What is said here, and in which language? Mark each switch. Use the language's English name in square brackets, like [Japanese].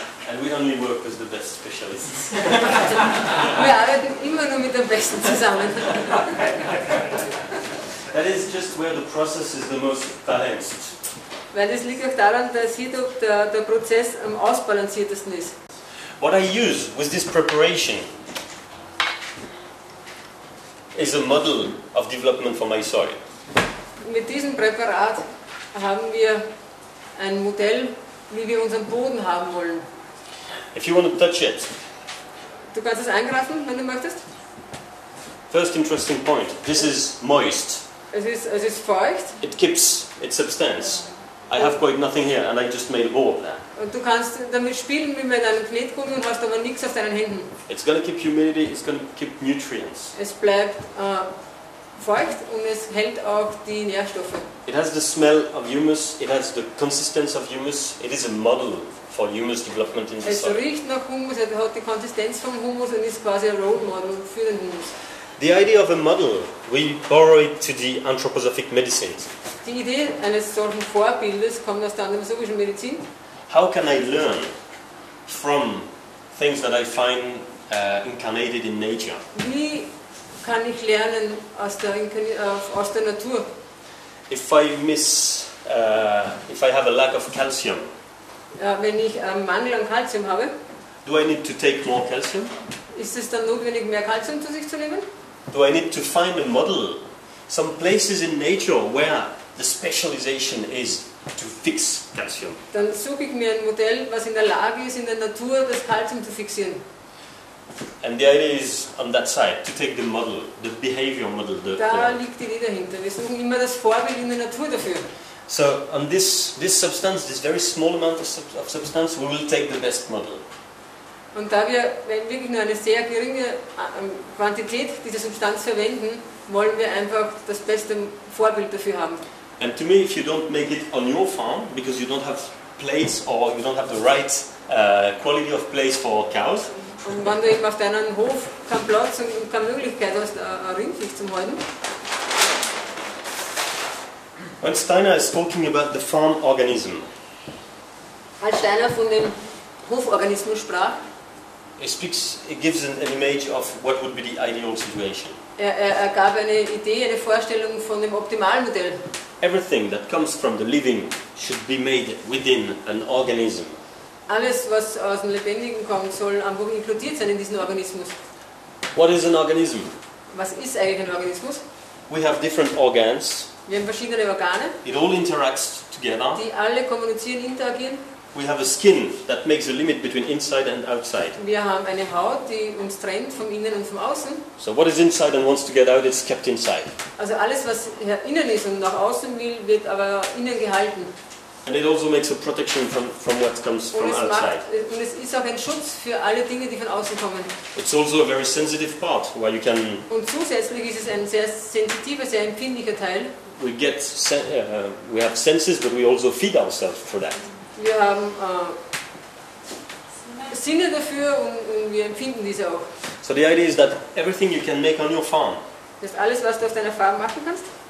[English] And we only work with the best specialists. [German] Wir arbeiten immer nur mit den Besten zusammen. [English] That is just where the process is the most balanced. [German] Weil das liegt auch daran, dass hier der Prozess am ausbalanciertesten ist. [English] What I use with this preparation is a model of development for my soil. [German] Mit diesem Präparat haben wir ein Modell, wie wir unseren Boden haben wollen. [English] If you want to touch it. [German] Du kannst es angreifen, wenn du möchtest. [English] First interesting point. This is moist. [German] Es ist feucht. [English] It keeps its substance. I have quite nothing here and I just made a ball there. [German] Und du kannst damit spielen wie mit einem Knetgummi und hast aber nichts auf deinen Händen. [English] It's going to keep humidity, it's going to keep nutrients. [German] Es bleibt feucht und es hält auch die Nährstoffe. [English] It has the smell of humus, it has the consistency of humus, it is a model for humus development in the soil. [German] Es riecht nach Humus, es hat die Konsistenz vom Humus und ist quasi ein Role Model für den Humus. [English] The idea of a model, we borrow it to the anthroposophic medicine. [German] Die Idee eines solchen Vorbildes kommt aus der anthroposophischen Medizin. [English] How can I learn from things that I find incarnated in nature? [German] Wie kann ich lernen aus der Natur? [English] If I miss, if I have a lack of calcium. [German] Wenn ich einen Mangel an Calcium habe. [English] Do I need to take more calcium? [German] Ist es dann notwendig, mehr Calcium zu sich zu nehmen? [English] Do I need to find a model, some places in nature where the specialization is to fix calcium? [German] Dann suche ich mir ein Modell, was in der Lage ist, in der Natur das Calcium zu fixieren. [English] And the idea is on that side, to take the model, the behavior model. [German] Da liegt die Idee dahinter. Wir suchen immer das Vorbild in der Natur dafür. [English] So on this substance, this very small amount of substance, we will take the best model. [German] Und da wir wirklich nur eine sehr geringe Quantität dieser Substanz verwenden, wollen wir einfach das beste Vorbild dafür haben. [English] And to me, if you don't make it on your farm, because you don't have place or you don't have the right quality of place for cows. [German] Und wenn du eben auf deinem Hof keinen Platz und keine Möglichkeit hast, ein Rindfisch zu halten. [English] When Steiner is talking about the farm organism. [German] Als Steiner von dem Hoforganismus sprach, [English] He gives an image of what would be the ideal situation. [German] Er gab eine Idee, eine Vorstellung von dem optimalen Modell. [English] Everything that comes from the living should be made within an organism. [German] Alles, was aus dem Lebendigen kommt, soll einfach inkludiert sein in diesen Organismus. [English] What is an organism? [German] Was ist eigentlich ein Organismus? [English] We have different organs. [German] Wir haben verschiedene Organe. [English] It all interacts together. [German] Die alle kommunizieren, interagieren. [English] We have a skin that makes a limit between inside and outside. [German] Wir haben eine Haut, die uns trennt vom Innen und vom Außen. [English] So what is inside and wants to get out, it's kept inside. [German] Also alles, was innen ist und nach außen will, wird aber innen gehalten. [English] And it also makes a protection from what comes from outside. [German] Und es ist auch ein Schutz für alle Dinge, die von außen kommen. [English] It's also a very sensitive part where you can. [German] Und zusätzlich ist es ein sehr sensitiver, sehr empfindlicher Teil. [English] We get we have senses, but we also feed ourselves for that. [German] Wir haben Sinne dafür und wir empfinden diese auch. [English] So the idea is that everything you can make on your farm. [German] Das ist alles, was du auf deiner Farm machen kannst.